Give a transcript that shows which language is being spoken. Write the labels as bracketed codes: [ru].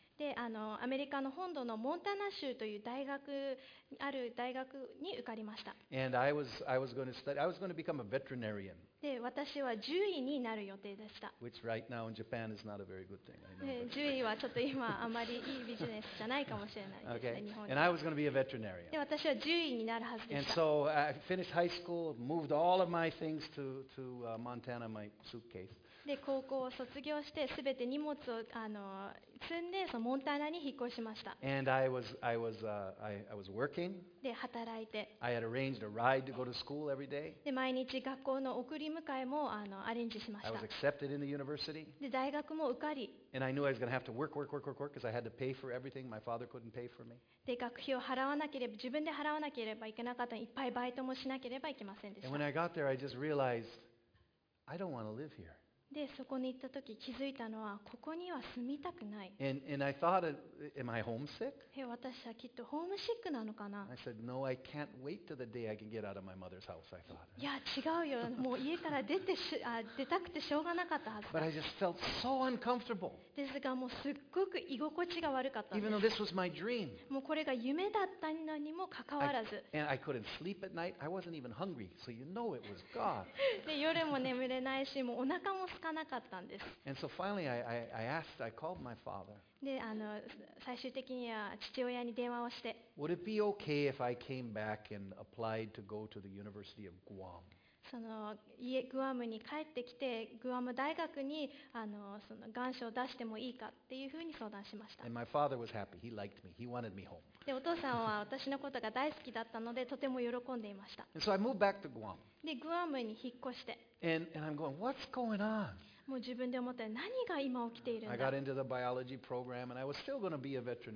[ja] で、アメリカの本土のモンタナ州という大学ある大学に受かりました。 [en] And I was going to study. I was going to become a veterinarian. [ja] で、私は獣医になる予定でした。 [en] Which right now in Japan is not a very good thing. [ja] 獣医はちょっと今あまりいいビジネスじゃないかもしれないですね。 [en] Okay. And I was going to be a veterinarian. [ja] で、私は獣医になるはずでした。 [en] And so I finished high school, moved all of my things to Montana, my suitcase. [ja] で高校を卒業して、すべて荷物を積んで、そのモンタナに引っ越しました。 [en] And I was working. [ja] で働いて。 [en] I had arranged a ride to go to school every day. [ja] で毎日学校の送り迎えもアレンジしました。 [en] I was accepted in the university. [ja] で大学も受かり。 [en] And I knew I was going to have to work, because I had to pay for everything. My father couldn't pay for me. [ja] で学費を払わなければ、自分で払わなければいけなかった。いっぱいバイトもしなければいけませんでした。 [en] And when I got there, I just realized I don't want to live here. [ja] でそこに行ったとき気づいたのはここには住みたくない。 [en] And I thought, am I homesick? [ja] 私はきっとホームシックなのかな。 [en] I said, no, I can't wait till the day I can get out of my mother's house. I thought. [ja] いや違うよ。もう家から出たくてしょうがなかったはず。 [en] But I just felt so uncomfortable. [ja] ですがもうすっごく居心地が悪かったんです。 [en] Even though this was my dream. [ja] もうこれが夢だったのにもかかわらず。 [en] And I couldn't sleep at night. I wasn't even hungry. So you know it was God. [ja] で夜も眠れないし、もうお腹も [en] And so finally, I asked, I called my father. [ja] で、最終的には父親に電話をして。 [en] Would it be okay if I came back and applied to go to the University of Guam? [ja] その家グアムに帰ってきて、グアム大学にその願書を出してもいいかっていうふうに相談しました。 [en] And my father was happy. He liked me. He wanted me home. [ja] で、お父さんは私のことが大好きだったので、とても喜んでいました。 [en] And so I moved back to Guam. [ja] で、グアムに引っ越して。 [en] And I'm going, what's going on? [ja] もう自分で思ったら何が今起きているんだ。 [en] I got into the biology program and I was still going to be a veterinarian.